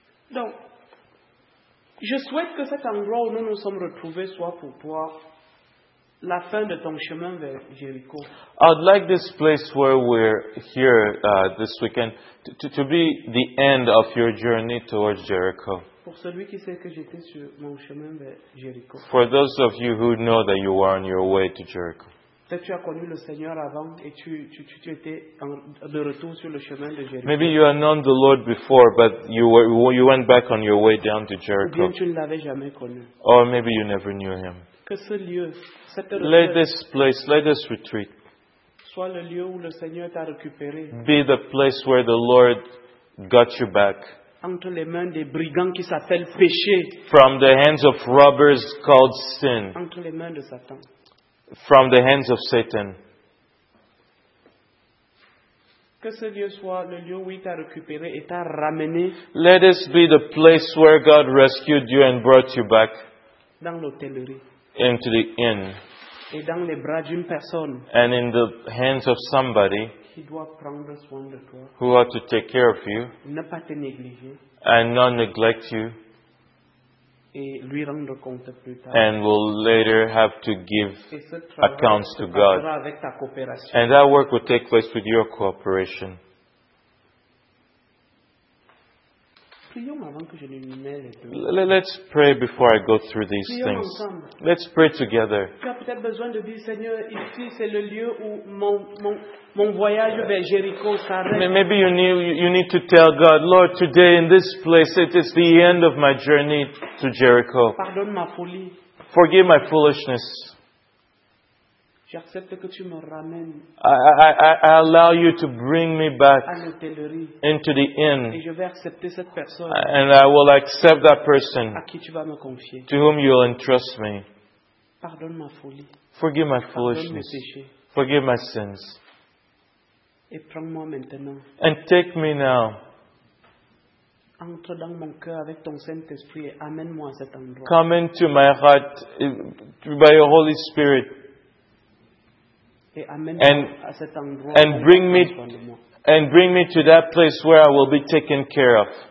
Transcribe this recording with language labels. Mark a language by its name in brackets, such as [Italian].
[French] Donc, je souhaite que cet endroit où nous nous sommes retrouvés soit pour pouvoir la fin de ton chemin vers Jéricho. [English] I'd like this place where we're here this weekend to be the end of your journey towards Jericho. [French] Pour celui qui sait que j'étais sur mon chemin vers Jéricho. [English] For those of you who know that you are on your way to Jericho. [French] Peut-être tu as connu le Seigneur avant et tu étais de retour sur le chemin de Jéricho. [English] Maybe you had known the Lord before, but you went back on your way down to Jericho. [French] Ou bien tu ne l'avais jamais connu. [English] Or maybe you never knew him. [French] Que ce lieu, cette [English] retraite, let this place, let this retreat, [French] soit le lieu où le Seigneur t'a récupéré. [English] Be the place where the Lord got you back. [French] Entre les mains des brigands qui s'appellent péché. [English] From the hands of robbers called sin. [French] Entre les mains de Satan. [English] From the hands of Satan. [French] Que ce lieu soit le lieu où il t'a récupéré et t'a ramené. [English] Let this be the place where God rescued you and brought you back. [French] Dans l'hôtellerie. [English] Into the inn. [French] Et dans les bras d'une personne. [English] And in the hands of somebody. [French] Qui doit prendre soin de toi. [English] Who ought to take care of you. [French] Ne pas te négliger. [English] And not neglect you. [French] Et lui rendre compte plus tard. [English] And will later have to give accounts to God. [French] Avec ta coopération. [English] And that work will take place with your cooperation. [French] Prions avant que je les [English] numère. Let's pray before I go through these [French] prions [English] things. [French] Ensemble. [English] Let's pray together. [French] Tu as peut-être besoin de dire, Seigneur, ici c'est le lieu où mon voyage vers Jéricho s'arrête. [English] Maybe you need to tell God, Lord, today in this place it is the end of my journey to Jericho. [French] Pardonne ma folie. [English] Forgive my foolishness. [French] J'accepte que tu me ramènes. [English] I allow you to bring me back [French] à l'hôtellerie [English] into the inn. [French] Et je vais accepter cette personne. [English] And I will accept that person [French] à qui tu vas me confier. [English] To whom you will entrust me. [French] Pardonne ma folie. [English] Forgive my foolishness. [French] Pardonne mes péchés. [English] Forgive my sins. [French] Et prends-moi maintenant. [English] And take me now. [French] Entre dans mon cœur avec ton Saint-Esprit et amène-moi à cet endroit. [English] Come into my heart by your Holy Spirit. And bring me to that place where I will be taken care of.